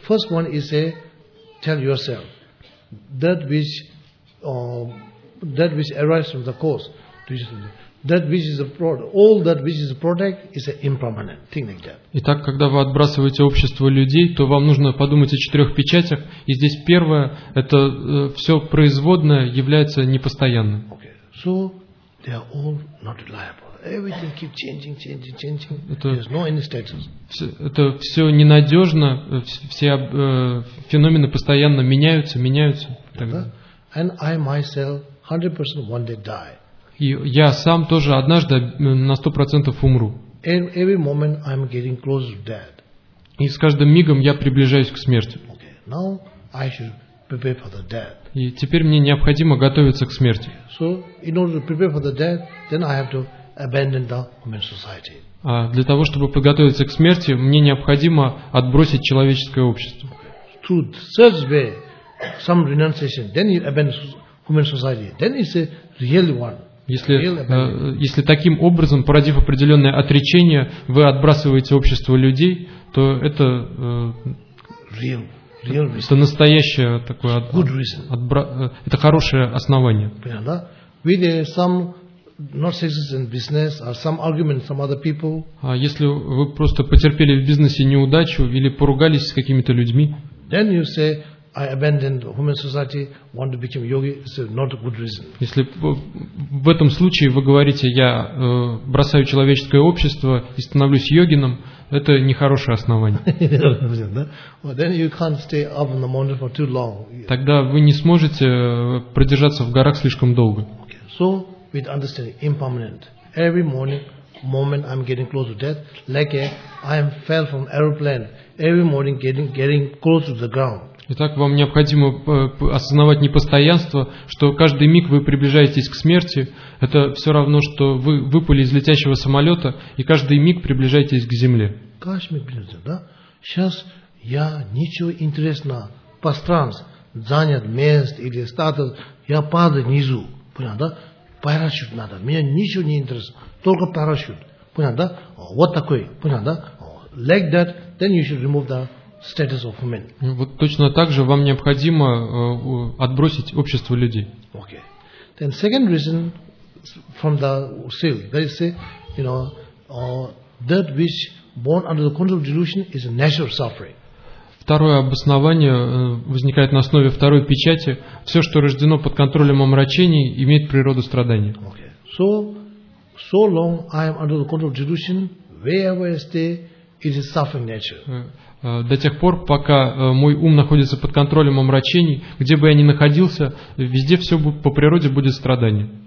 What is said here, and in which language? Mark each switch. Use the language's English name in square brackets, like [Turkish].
[English] First one is a tell yourself that which arises from the cause. All that which is a product is an impermanent thing like that. [Russian] Итак, когда вы отбрасываете общество людей, то вам нужно подумать о четырех печатях. И здесь первое это все производное является непостоянным. [English] Okay. So they are all not reliable. Everything keeps changing. There's no any status. [Russian] Это все ненадежно. Все феномены постоянно меняются. [English] And I myself 100% one day die. [Russian] И я сам тоже однажды на 100% умру. [English] And every moment I'm getting closer to death. [Russian] И с каждым мигом я приближаюсь к смерти. [English] Okay. Now I should prepare for the death. [Russian] И теперь мне необходимо готовиться к смерти. [English] So in order to prepare for the death, then I have to abandon the human society. [Russian] А для того, чтобы подготовиться к смерти, мне необходимо отбросить человеческое общество. [English] Through such way, some renunciation, then you abandon human society. Then it's a real one. [Russian] Если таким образом, породив определенное отречение, вы отбрасываете общество людей, то это [English] real reason. [Russian] Это настоящее такое [English] good reason. [Russian] Это хорошее основание. Да? [English] With some not success in business or some argument from other people. [Russian] А если вы просто потерпели в бизнесе неудачу или поругались с какими-то людьми? [English] Then you say, I abandoned human society, want to become yogi. It's not a good reason. [Russian] Если в этом случае вы говорите, я бросаю человеческое общество и становлюсь йогином, это нехорошее основание. [English] Then you can't stay up in the mountain for too long. [Russian] Тогда вы не сможете продержаться в горах слишком долго. [English] So with understanding impermanent. Every morning, moment I'm getting close to death, like I am fell from aeroplane. Every morning getting close to the ground. [Russian] Итак, вам необходимо осознавать непостоянство, что каждый миг вы приближаетесь к смерти. Это все равно, что вы выпали из летящего самолета и каждый миг приближаетесь к земле. Каждый миг приближается, да? Сейчас я ничего интересного по странам занят мест или статус, я падаю внизу, понятно, да? Парашют надо. Меня ничего не интересует. Только парашют. Понятно, да? Вот такой. Понятно, да? [English] Like that, then you should remove the status of human. [Russian] Вот точно так же вам необходимо отбросить общество людей. [English] Okay. Then second reason from the seal. They say, you know, that which born under the control of delusion is a natural suffering. [Russian] Второе обоснование возникает на основе второй печати. Все, что рождено под контролем омрачений, имеет природу страдания. [English] Okay. So long I am under the control of delusion, wherever I stay, it is suffering nature. [Russian] До тех пор, пока мой ум находится под контролем омрачений, где бы я ни находился, везде все по природе будет страдание.